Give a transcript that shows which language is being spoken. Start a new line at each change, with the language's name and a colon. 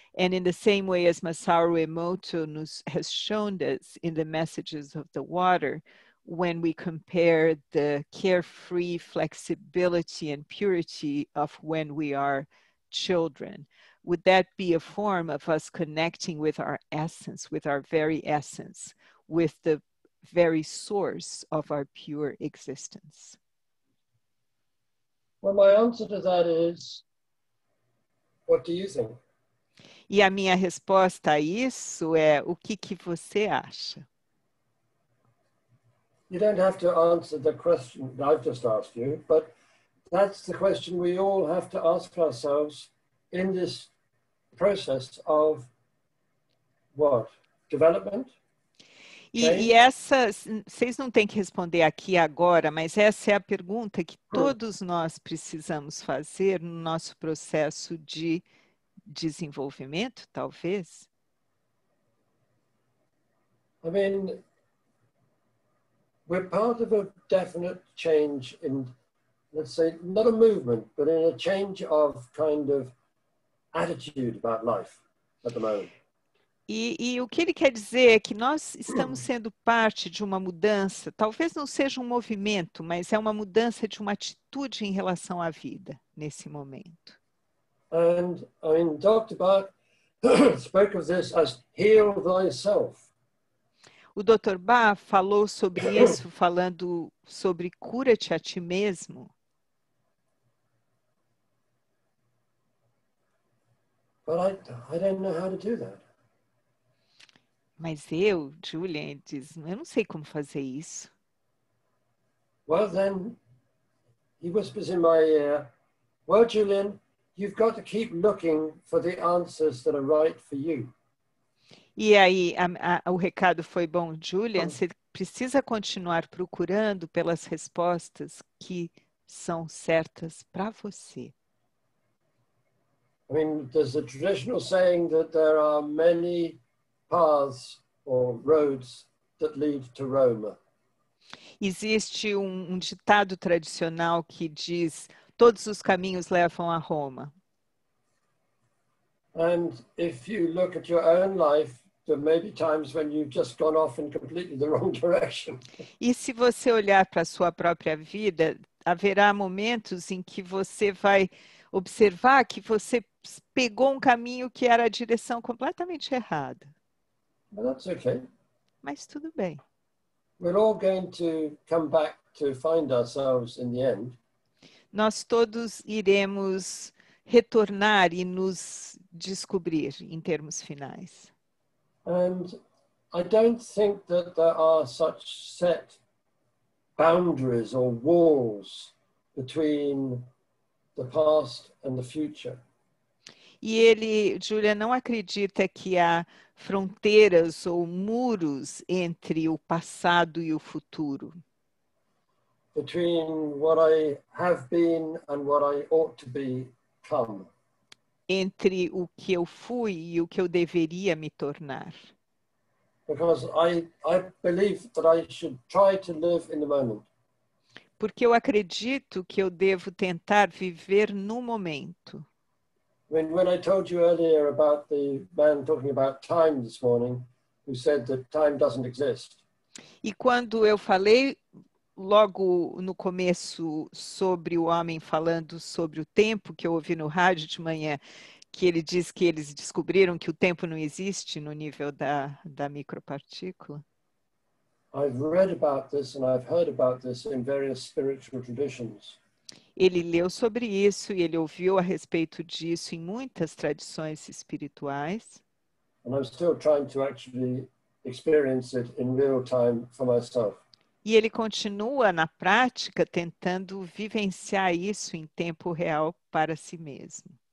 English: And in the same way as Masaru Emoto has shown us in the messages of the water, when we compare the carefree flexibility and purity of when we are children, would that be a form of us connecting with our essence, with our very essence, with the very source of our pure existence? Well, my answer to that is, what do you think?
Portuguese: E a minha resposta a isso é, o que você acha?
English: You don't have to answer the question that I've just asked you, but that's the question we all have to ask ourselves in this process of what? Development?
Portuguese: E essa, vocês não têm que responder aqui agora, mas essa é a pergunta que todos nós precisamos fazer no nosso processo de desenvolvimento, talvez.
English: I mean, we're part of a definite change in, let's say, not a movement, but in a change of kind of attitude about life at the moment.
Portuguese: E o que ele quer dizer é que nós estamos sendo parte de uma mudança, talvez não seja um movimento, mas é uma mudança de uma atitude em relação à vida, nesse momento.
English: And I mean, Dr. Bach spoke of this as heal thyself.
Portuguese: O Dr. Bach falou sobre isso, falando sobre cura-te a ti mesmo.
English: But I don't know how to do that.
Portuguese: Mas eu, Julian, diz, eu não sei como fazer isso.
English: Well, then, he whispers in my ear, well, Julian, you've got to keep looking for the answers that are right for you.
Portuguese: E aí, o recado foi bom, Julian, você precisa continuar procurando pelas respostas que são certas para você.
English: I mean, there's a traditional saying that there are many paths or roads that lead to Roma.
Portuguese: Existe um ditado tradicional que diz todos os caminhos levam a Roma.
English: And if you look at your own life, there may be times when you've just gone off in completely the wrong direction.
Portuguese: E se você olhar para a sua própria vida, haverá momentos em que você vai observar que você pegou um caminho que era a direção completamente errada.
English: Well, that's okay.
Portuguese: Mas tudo bem.
English: We're all going to come back to find ourselves in the end.
Portuguese: Nós todos iremos retornar e nos descobrir em termos finais.
English: And I don't think that there are such set boundaries or walls between the past and the future.
Portuguese: E ele, Julia, não acredita que há fronteiras ou muros entre o passado e o futuro.
English: Between what I have been and what I ought to become.
Portuguese: Entre o que eu fui e o que eu deveria me tornar.
English: Because I believe that I should try to live in the moment.
Portuguese: Porque eu acredito que eu devo tentar viver no momento.
English: When I told you earlier about the man talking about time this morning, who said that time doesn't exist.
Portuguese: E quando eu falei logo no começo sobre o homem falando sobre o tempo que eu ouvi no rádio de manhã, que ele diz que eles descobriram que o tempo não existe no nível da micropartícula.
English: I've read about this and I've heard about this in various spiritual traditions.
Portuguese: Ele leu sobre isso e ele ouviu a respeito disso em muitas tradições espirituais.
English: And I'm still trying to actually experience it in real time for myself.
Portuguese: E ele continua na prática tentando vivenciar isso em tempo real para si mesmo.